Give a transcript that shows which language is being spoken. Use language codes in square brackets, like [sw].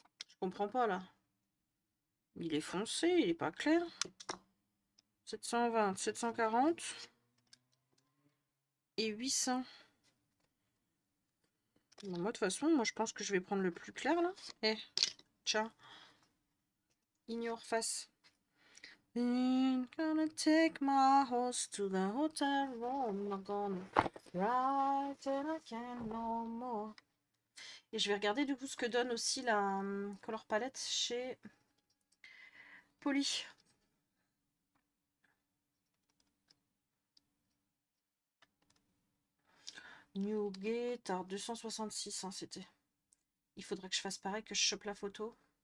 [fr] Je comprends pas là. Il est foncé, il est pas clair. 720, 740 et 800. Bon, moi de toute façon, moi je pense que je vais prendre le plus clair là. Eh, ciao. Ignore face. [en] I'm gonna take my horse to the hotel room. I'm gonna ride till I can no more. [fr] Et je vais regarder du coup ce que donne aussi la color palette chez Polly. Newgate, alors 266, hein, c'était. Il faudrait que je fasse pareil, que je chope la photo.